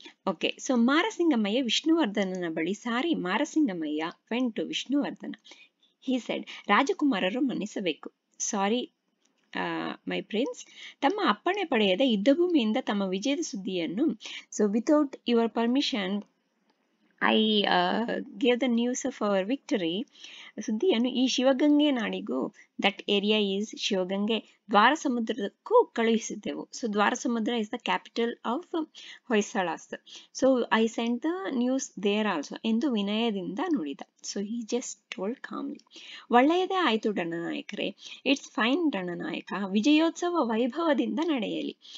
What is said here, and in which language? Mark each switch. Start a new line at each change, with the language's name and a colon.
English: okay, so Marasingamayya
Kannada: ವಿಷ್ಣುವರ್ಧನನ ಬಳಿ
English: Sorry Marasingamayya went to Vishnuvardhana. He said,
Kannada: ರಾಜಕುಮಾರರು ಮನ್ನಿಸಬೇಕು,
English: sorry my prince,
Kannada: ತಮ್ಮ ಅಪ್ಪಣೆ ಪಡೆಯದ ಯುದ್ಧ ಭೂಮಿಯಿಂದ ತಮ್ಮ ವಿಜಯದ ಸುದ್ದಿಯನ್ನು,
English: So without your permission I gave the news of our victory.
Kannada: ಸುದ್ದಿಯನ್ನು ಈ Shivagange ನಾಡಿಗೂ,
English: that area is Shivagange,
Kannada: ದ್ವಾರ ಸಮುದ್ರಕ್ಕೂ ಕಳುಹಿಸಿದ್ದೆವು.
English: So Dwarasamudra is the capital of Hoysalas. So I send the news there also
Kannada: ಎಂದು ವಿನಯದಿಂದ ನುಡಿದ.
English: So he just told calmly.
Kannada: ಒಳ್ಳೆಯದೇ ಆಯಿತು ರಣನಾಯಕರೇ,
English: it's fine ರಣನಾಯಕ,
Kannada: ವಿಜಯೋತ್ಸವ ವೈಭವದಿಂದ ನಡೆಯಲಿ.